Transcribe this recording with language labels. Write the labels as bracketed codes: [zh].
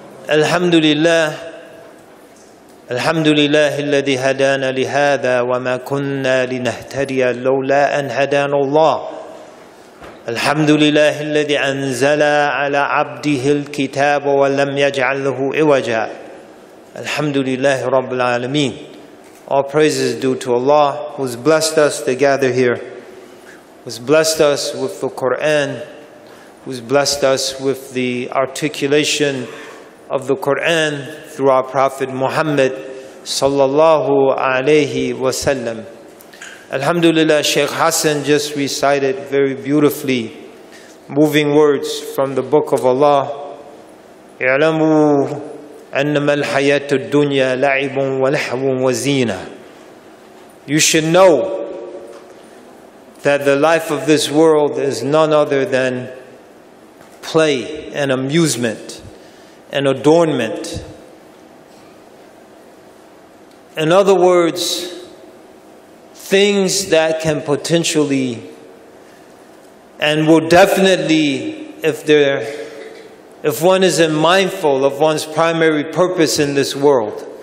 [ar] الحمد لله الحمد لله الذي هدانا لهذا وما كنا لنهتدي لولا أن هدانا الله. الحمد لله الذي أنزل على عبده الكتاب ولم يجعل له عوجا. الحمد لله رب العالمين. [en] All praises due to Allah who's blessed us to gather here, who's blessed us with the Quran, who's blessed us with the articulation of the Quran through our Prophet Muhammad sallallahu alayhi wa sallam. Alhamdulillah, Sheikh Hassan just recited very beautifully moving words from the Book of Allah. [ar] اعلموا أنما الحياة الدنيا لعب ولهو وزينة. [en] You should know that the life of this world is none other than play and amusement and adornment. In other words, things that can potentially and will definitely, if one isn't mindful of one's primary purpose in this world,